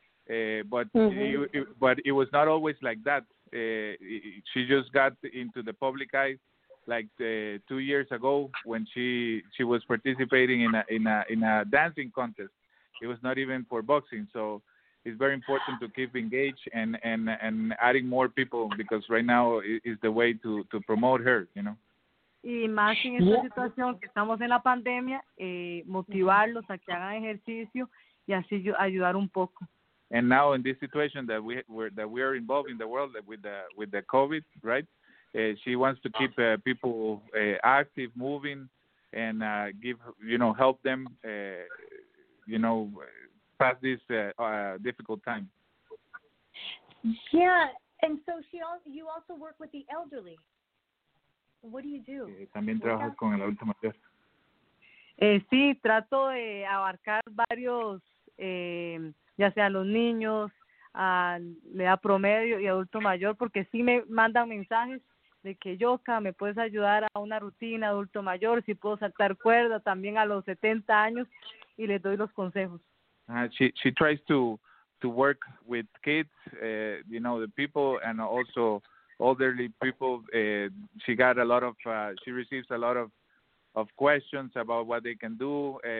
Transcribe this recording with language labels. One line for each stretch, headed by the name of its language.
English: But it was not always like that. She just got into the public eye like 2 years ago when she was participating in a dancing contest. It was not even for boxing, so it's very important to keep engaged and adding more people, because right now is the way to promote her, you know.
Spanish: Y más en esta situación que estamos en la pandemia, motivarlos a que hagan ejercicio y así ayudar un poco.
English: And now in this situation that we are involved in the world with the COVID, right? She wants to keep people active, moving, and give, you know, help them. You know, past this difficult time. Yeah, and so you also work with the elderly. What do you do?
Spanish: También trabajo con el adulto mayor. Sí, trato de abarcar varios, ya sea los niños, a la edad promedio y adulto mayor, porque sí me mandan mensajes de que Yoka, me puedes ayudar a una rutina adulto mayor, si puedo saltar cuerda también a los 70 años. Y les doy los consejos.
English: She tries to work with kids, you know, the people, and also elderly people. She got a lot of, she receives a lot of questions about what they can do.